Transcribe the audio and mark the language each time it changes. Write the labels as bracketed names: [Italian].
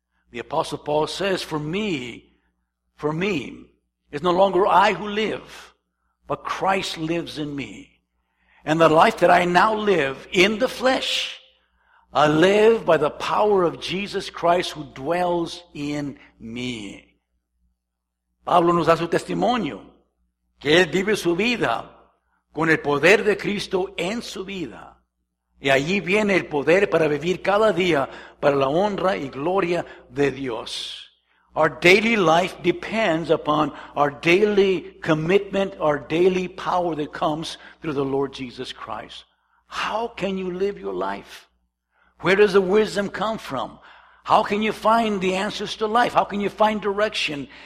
[English] The Apostle Paul says, for me, it's no longer I who live, but Christ lives in me. And the life that I now live in the flesh, I live by the power of Jesus Christ who dwells in me. [Spanish] Pablo nos da su testimonio. Que él vive su vida con el poder de Cristo en su vida. Y allí viene el poder para vivir cada día para la honra y gloria de Dios. [English] Our daily life depends upon our daily commitment, our daily power that comes through the Lord Jesus Christ. How can you live your life? Where does the wisdom come from? How can you find the answers to life? How can you find direction?